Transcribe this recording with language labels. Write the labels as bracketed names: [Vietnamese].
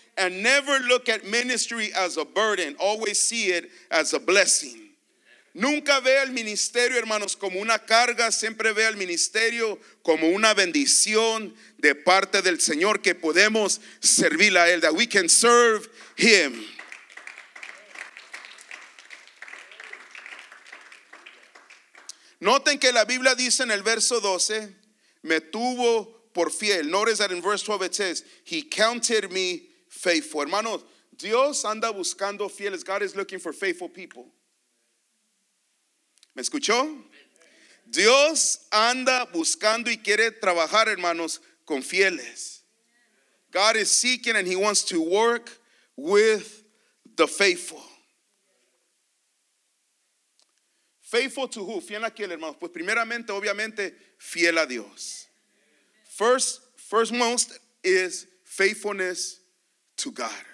[English] And never look at ministry as a burden. Always see it as a blessing. [Spanish] Nunca ve al ministerio, hermanos, como una carga. Siempre ve al ministerio como una bendición de parte del Señor que podemos servir a Él. [English] That we can serve Him. [Spanish] Noten que la Biblia dice en el verso 12, me tuvo por fiel. [English] Notice that in verse 12 it says, he counted me faithful. [Spanish] Hermanos, Dios anda buscando fieles. [English] God is looking for faithful people. [Spanish] ¿Me escuchó? Dios anda buscando y quiere trabajar, hermanos, con fieles. [English] God is seeking and he wants to work with the faithful. Faithful to who? [Spanish] ¿Fiel a quién, hermanos? Pues primeramente, obviamente, fiel a Dios. [English] First most is faithfulness to God.